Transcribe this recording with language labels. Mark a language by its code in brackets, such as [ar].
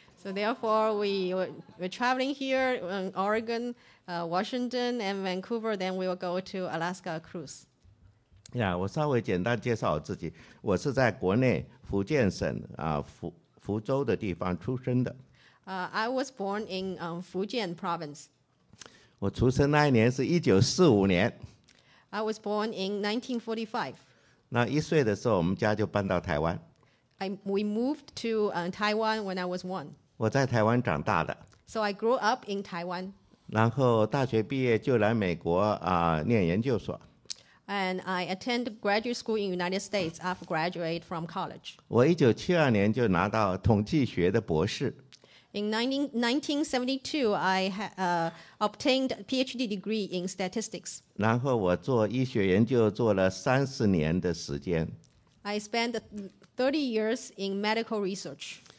[en] So therefore, we're traveling here in Oregon, Washington, and Vancouver, then we will go to Alaska Cruise. [zh] Yeah, 我稍微简单介绍我自己，我是在国内福建省福州的地方出生的。 [en] I was born in Fujian province. [zh] 我出生那一年是1945年。 [en] I was born in 1945. [zh] 那一岁的时候，我们家就搬到台湾。 [en] We moved to Taiwan when I was one. [zh] 我在台湾长大的。 [en] So I grew up in Taiwan. [zh] 然后大学毕业就来美国念研究所。 [en] And I attend graduate school in the United States after graduate from college. [zh] 我1972年就拿到统计学的博士。 [en] In 1972, I obtained a PhD degree in statistics. [zh] 然后我做医学研究做了30年的时间。 [en] I spent 30 years in medical research.